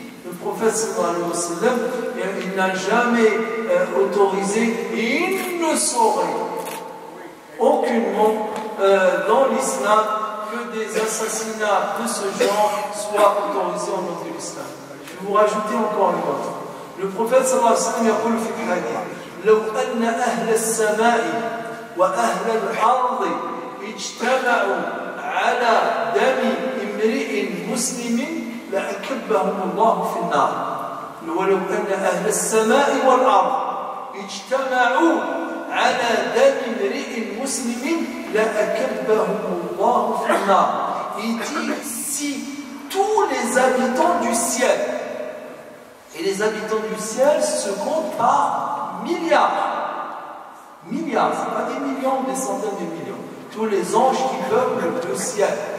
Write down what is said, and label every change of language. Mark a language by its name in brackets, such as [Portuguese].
[French] Le prophète sallallahu alayhi wa sallam, il n'a jamais autorisé, et il ne saurait aucunement dans l'islam que des assassinats de ce genre soient autorisés au nom de l'islam. Je vais vous rajouter encore une autre. Le prophète sallallahu alayhi wa sallam, il a dit dans le hadith, [Arabic] لو أن أهل السماء وأهل الأرض اجتمعوا على دم امرئ مسلم لأكبهم الله في النار. ولو أن أهل السماء والأرض اجتمعوا على دم امرئ مسلم لأكبهم الله في النار. [French] Il dit, si tous les habitants du ciel, et les habitants du ciel se comptent par milliards, c'est pas des millions, des centaines de millions, tous les anges qui peuplent le ciel.